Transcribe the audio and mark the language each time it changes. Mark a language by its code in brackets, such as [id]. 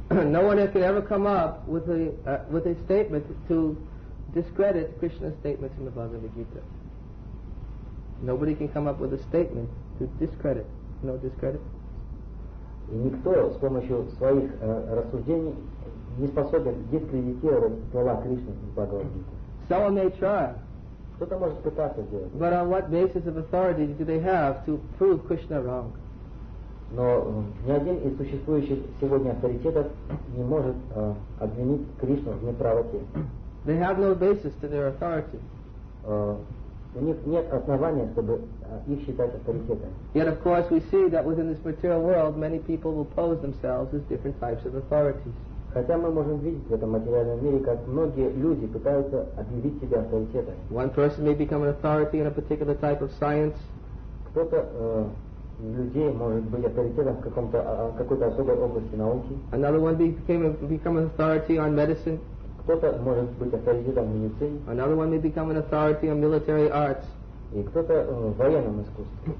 [en] No one can ever come up with a statement to discredit Krishna's statements in the Bhagavad Gita. Nobody can come up with a statement to discredit. No discredit. [ru] И никто с помощью своих рассуждений не способен дискредитировать слова Кришны в Бхагавад Гите. [en] Someone may try. [ru] Кто-то может пытаться сделать. [en] But on what basis of authority do they have to prove Krishna wrong? [ru] Но ни один из существующих сегодня авторитетов не может обвинить Кришну в неправоте. [en] They have no basis to their authority. [ru] У них нет основания, чтобы их считать авторитетами. [en] Yet, of course, we see that within this material world, many people will pose themselves as different types of authorities. [ru] Хотя мы можем видеть в этом материальном мире, как многие люди пытаются объявить себя авторитетами. [en] One person may become an authority in a particular type of science. [ru] Кто-то из людей может быть авторитетом в каком-то какой-то особой области науки. [en] Another one become an authority on medicine. [ru] Кто-то может быть авторитетом в медицине. [en] Another one may become an authority on military arts. [ru] И кто-то в военном искусстве.